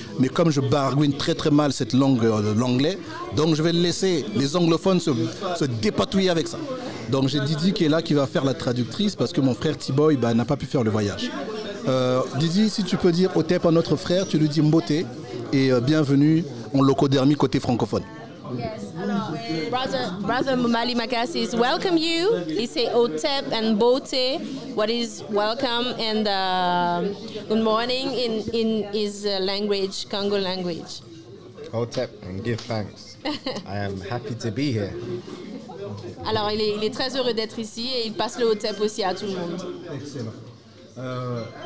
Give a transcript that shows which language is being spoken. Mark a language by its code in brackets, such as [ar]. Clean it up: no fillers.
[fr] Mais comme je bargouine très très mal cette langue de l'anglais, donc je vais laisser les anglophones se dépatouiller avec ça. Donc j'ai Didi qui est là, qui va faire la traductrice parce que mon frère T-Boy n'a pas pu faire le voyage. Didi, si tu peux dire Otep à notre frère, tu lui dis Mbote et bienvenue en locodermie côté francophone. [en] Brother Mumali Makasi is welcome you. He say Otep and Bote, what is welcome and good morning in his language, Congo language. Otep and give thanks. I am happy to be here. [fr] Alors, il est très heureux d'être ici et il passe le Otep aussi à tout le monde.